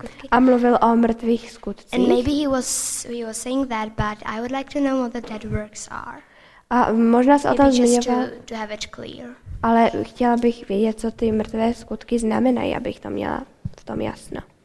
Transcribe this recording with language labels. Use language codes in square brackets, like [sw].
[cs] A mluvil o mrtvých skutcích. [en] And maybe he was saying that, but I would like to know what the dead works are. [cs] A možná se o tom zmiňoval. [en] To have it clear. [cs] Ale chtěla bych vědět, co ty mrtvé skutky znamenají, abych to měla v tom jasno.